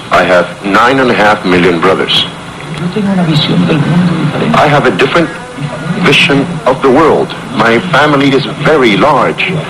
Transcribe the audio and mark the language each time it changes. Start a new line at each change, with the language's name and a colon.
English: I have 9.5 million brothers.
Spanish: Yo tengo una visión del mundo diferente.
English: I have a different vision of the world. My family is very large.